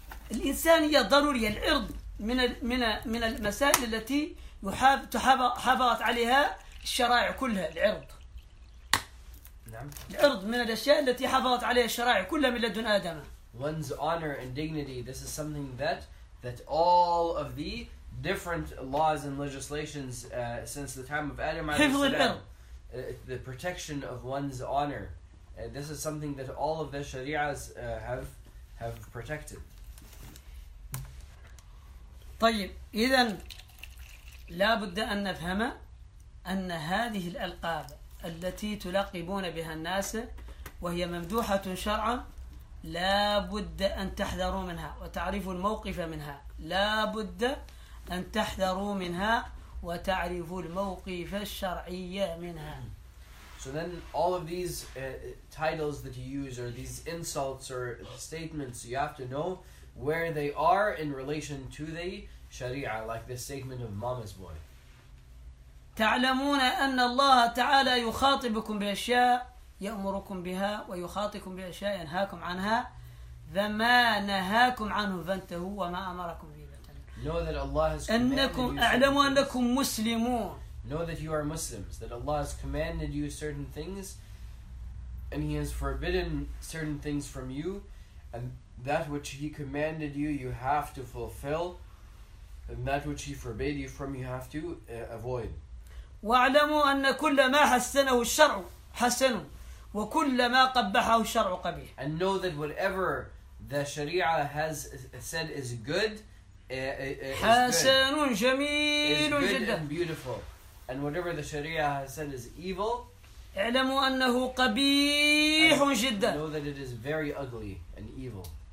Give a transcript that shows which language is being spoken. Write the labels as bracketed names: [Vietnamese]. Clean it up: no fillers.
[Arabic] الإنسانية ضرورية العرض من المسائل التي حافظت عليها الشرائع كلها العرض نعم. العرض من الأشياء التي حافظت عليها الشرائع كلها من لدن آدم [English] one's honor and dignity this is something that all of the different laws and legislations since the time of Adam [Arabic] حفظ العرض [English] the protection of one's honor this is something that all of the sharia's have protected [Arabic] طيب إذن لابد أن نفهم أن هذه الألقاب التي تلقبون بها الناس وهي ممدوحة شرعا لابد أن تحذروا منها وتعرفوا الموقف منها لابد أن تحذروا منها وتعرفوا الموقف الشرعي منها [English] So then all of these titles that you use or these insults or statements you have to know where they are in relation to the Sharia, like the statement of Mama's boy. [Arabic] تعلمون أن الله تعالى يخاطبكم بأشياء يأمركم بها ويخاطبكم بأشياء ينهاكم عنها فما نهاكم عنه فانتهوا وما أمركم به [English] Know that Allah has [Arabic] أنكم أعلموا أنكم مسلمون. [English] Know that you are Muslims. That Allah has commanded you certain things, and He has forbidden certain things from you, and that which He commanded you have to fulfill. And that which he forbade you from, you have to avoid. [Arabic] واعلموا ان كل ما حسنه الشرع حسن وكل ما قبحه الشرع قبيح. [English] And know that whatever the Sharia has said is good, [Arabic] حسن جميل جدا. [English] Is good and beautiful. And whatever the Sharia has said is evil, [Arabic] اعلموا انه قبيح جدا. [English] Know that it is very ugly and evil.